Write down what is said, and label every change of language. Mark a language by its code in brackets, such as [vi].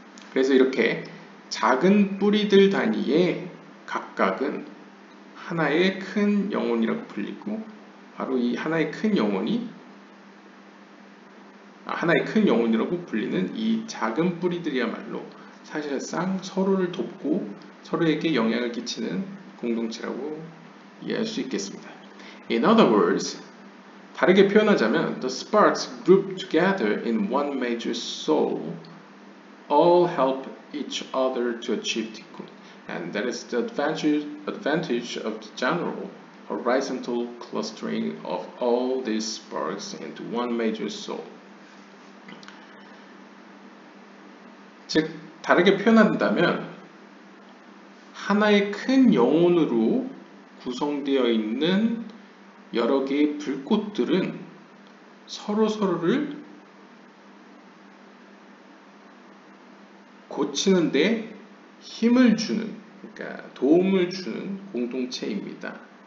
[ko] 그래서 이렇게 작은 뿌리들 단위의 각각은 하나의 큰 영혼이라고 불리고 바로 이 하나의 큰 영혼이 하나의 큰 영혼이라고 불리는 이 작은 뿌리들이야말로 사실상 서로를 돕고 서로에게 영향을 끼치는 공동체라고 이해할 수 있겠습니다. [en] In other words, [ko] 다르게 표현하자면 [en] The sparks group together in one major soul all help each other to achieve tikkun and that is the advantage of the general horizontal clustering of all these sparks into one major soul. [ko] 즉 다르게 표현한다면 하나의 큰 영혼으로 구성되어 있는 여러 개의 불꽃들은 서로서로를 고치는 데 힘을 주는, 그러니까 도움을 주는 공동체입니다.